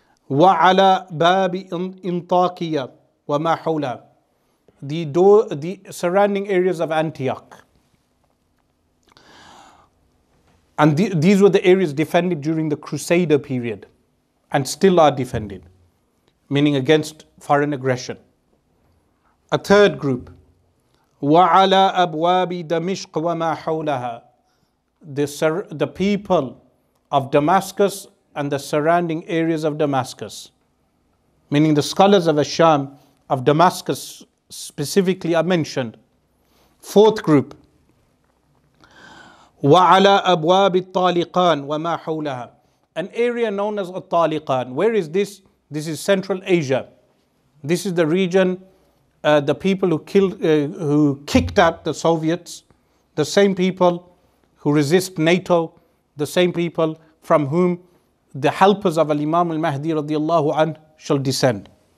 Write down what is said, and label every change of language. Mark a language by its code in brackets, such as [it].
[ar] وَعَلَى بَابِ إِنْطَاقِيَا وَمَا حَوْلَهَا. [en] The surrounding areas of Antioch. And these were the areas defended during the Crusader period and still are defended, meaning against foreign aggression. A third group, [ar] وَعَلَىٰ أَبْوَابِ دَمِشْقَ وَمَا حَوْلَهَا. [en] The people of Damascus and the surrounding areas of Damascus, meaning the scholars of Asham of Damascus specifically are mentioned. Fourth group, [ar] وَعَلَىٰ أَبْوَابِ الطَّالِقَانِ وَمَا حَوْلَهَا. [en] An area known as الطَّالِقَانِ. Where is this? This is Central Asia. This is the region, the people who kicked out the Soviets, the same people who resist NATO, the same people from whom the helpers of Al-Imam Al-Mahdi radiallahu anh shall descend.